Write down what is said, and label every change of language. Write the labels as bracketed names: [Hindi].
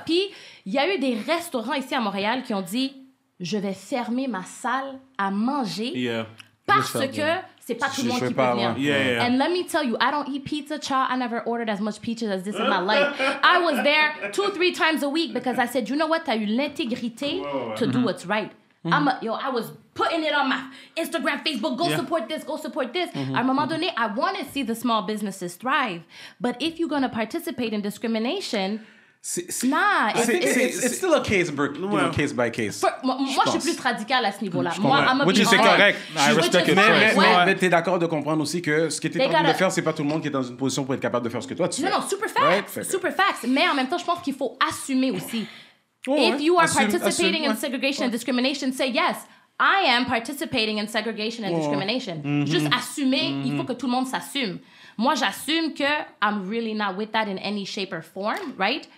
[French] Puis, il y a eu des restaurants ici à Montréal qui ont dit, je vais fermer ma salle à manger parce que c'est pas tout le monde qui peut venir. [English] And let me tell you, I don't eat pizza, child. I never ordered as much peaches as this in my life. I was there 2-3 times a week because I said, you know what? [French] T'as eu l'intégrité [English] to do what's right. I was putting it on my Instagram, Facebook. Go support this. Mm-hmm. [French] À un moment donné, [English] I want to see the small businesses thrive. But if you're going to participate in discrimination... It's still a case, case by case. [French] Moi, je suis plus radical à ce niveau-là. [English] Which is correct. I respect it. [French] Mais t'es d'accord de comprendre aussi que ce que t'es en train de faire, c'est pas tout le monde qui est dans une position pour être capable de faire ce que toi, tu fais. Non, super facts. Mais en même temps, je pense qu'il faut assumer aussi. [English] If you are participating in segregation and discrimination, say yes. I am participating in segregation and discrimination. [French] Juste assumer, il faut que tout le monde s'assume. Moi, j'assume que [English] I'm really not with that in any shape or form, right?